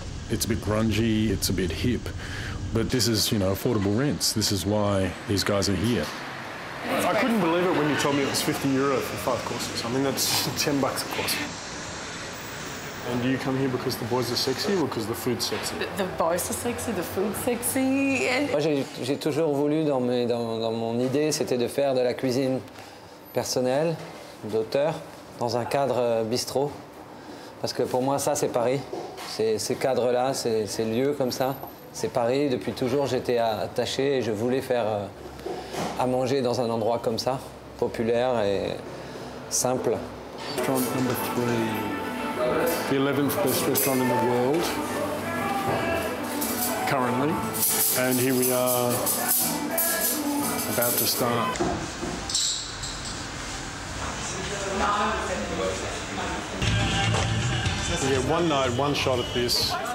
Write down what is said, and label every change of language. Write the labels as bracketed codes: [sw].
[en] It's a bit grungy, it's a bit hip, but this is, you know, affordable rents. This is why these guys are here. I couldn't believe it when you told me it was 50 euro for five courses. I mean, that's 10 bucks a course. And do you come here because the boys are sexy or because the food's sexy? The boys are sexy, the food's sexy. [fr] Moi, j'ai toujours voulu dans mon idée, c'était de faire de la cuisine personnelle, d'auteur, dans un cadre bistrot. Parce que pour moi, ça, c'est Paris. C'est ce cadre-là, ces lieux comme ça. C'est Paris. Depuis toujours, j'étais attaché et je voulais faire à manger dans un endroit comme ça, populaire et simple. [en] Restaurant number 3, the 11th best restaurant in the world, currently. And here we are, about to start. Yeah, one night, one shot at this.